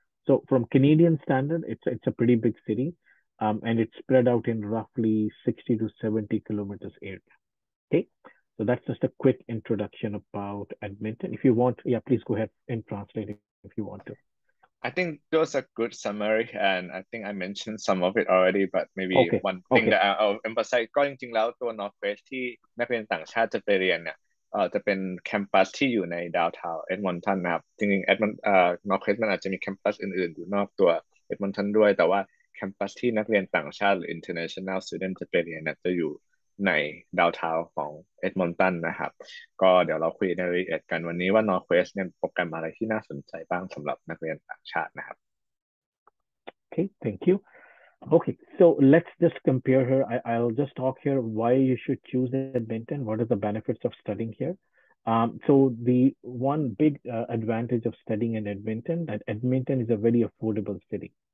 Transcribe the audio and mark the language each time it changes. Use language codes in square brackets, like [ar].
[en] So from Canadian standard, it's a pretty big city, and it's spread out in roughly 60 to 70 kilometers area. Okay, so that's just a quick introduction about Edmonton. If you want, yeah, please go ahead and translate it if you want to. I think that was a good summary, and I think I mentioned some of it already, but maybe okay. one thing okay. that I'll emphasize. [th] ก็จริงๆแล้วตัว Northwest ที่นักเรียนต่างชาติจะไปเรียนเนี่ยจะเป็นแคมปัสที่อยู่ในดาวน์ทาวน์เอ็ดมอนตันนะครับจริงๆเอ็ดมอนต์นอร์ทเวสต์มันอาจจะมีแคมปัสอื่นๆอยู่นอกตัวเอ็ดมอนตันด้วยแต่ว่าแคมปัสที่นักเรียนต่างชาติหรืออินเตอร์เนชั่นแนลสตูเดนต์จะไปเรียนเนี่ยจะอยู่ในดาวน์ทาวน์ของเอ็ดมอนตันนะครับก็เดี๋ยวเราคุยในรายละเอียดกันวันนี้ว่านอร์ทเวสต์เนี่ยโปรแกรมอะไรที่น่าสนใจบ้างสำหรับนักเรียนต่างชาตินะครับ [en] โอเค thank you Okay, so let's just compare here. I'll just talk here why you should choose Edmonton. What are the benefits of studying here? So the one big advantage of studying in Edmonton, that Edmonton is a very affordable city.